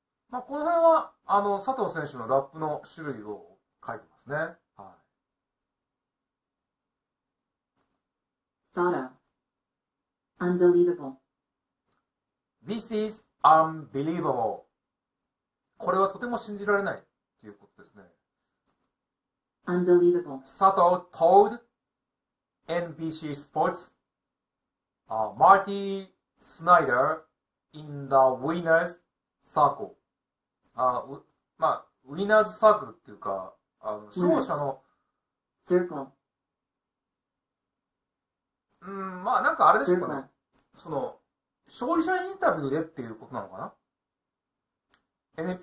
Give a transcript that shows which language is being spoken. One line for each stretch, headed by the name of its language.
Japanese: まあ、この辺は、佐藤選手のラップの種類を書いてますね。はい。
English: Sada. Unbelievable. This is unbelievable.
Japanese: これはとても信じられないっていうことですね。
English: Unbelievable. 佐藤 told NBC Sports, Marty Snyder in the winner's circle.
Japanese: まあ、ウィナーズサークルっていうか、勝者の。サークル。まあ、なんかあれでしょうかね。その、勝利者インタビューでっていうことなのかな。